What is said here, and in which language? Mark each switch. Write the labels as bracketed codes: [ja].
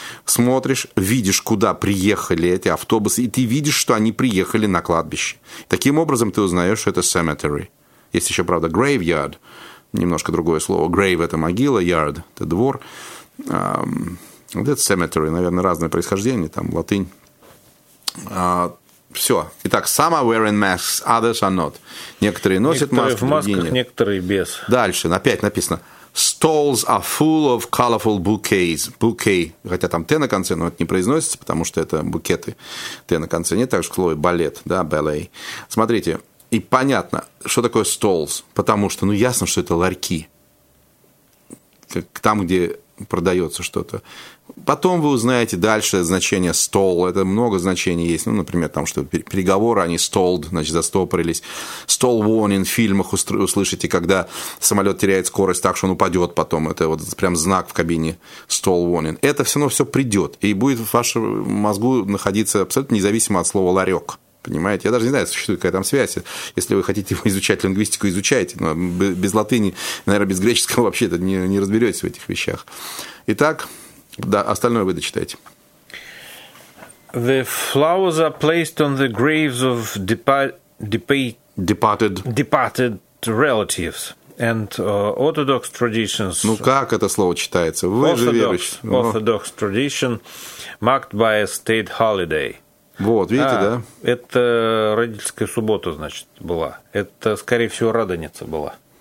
[ru] Смотришь, видишь, куда приехали эти автобусы, и ты видишь, что они приехали на кладбище. Таким образом, ты узнаешь, что это cemetery. Есть еще, правда, graveyard. Немножко другое слово. Grave – это могила, yard – это двор. Вот это cemetery, наверное, разное происхождение, там латынь. Все. Итак, [en] some are wearing masks, others are not. [ru] Некоторые носят некоторые маски, в масках, другие нет. Некоторые без. Дальше, опять написано. [en] Stalls are full of colorful bouquets. [ru] Bouquet, хотя там «т» на конце, но это не произносится, потому что это букеты. «Т» на конце нет, так же, как слово «балет», да, «балет». Смотрите. И понятно, что такое stalls, потому что, ну, ясно, что это ларьки, как там, где продается что-то. Потом вы узнаете дальше значение stall, это много значений есть, ну, например, там, что переговоры, они stalled, значит, застопорились. Stall warning в фильмах услышите, когда самолет теряет скорость так, что он упадет потом, это вот прям знак в кабине, stall warning. Это все равно все придет, и будет в вашем мозгу находиться абсолютно независимо от слова ларек. Понимаете? Я даже не знаю, существует какая там связь. Если вы хотите изучать лингвистику, изучайте. Но без латыни, наверное, без греческого вообще-то не разберетесь в этих вещах. Итак, да, остальное вы дочитайте. [en] The flowers are placed on the graves of departed relatives. And orthodox traditions. [ru] Ну как это слово читается? Вы же верующий. [en] Orthodox tradition marked by a state holiday. [ru] Вот, видите, да? Это родительская суббота, значит, была. Это, скорее всего, Радоница была.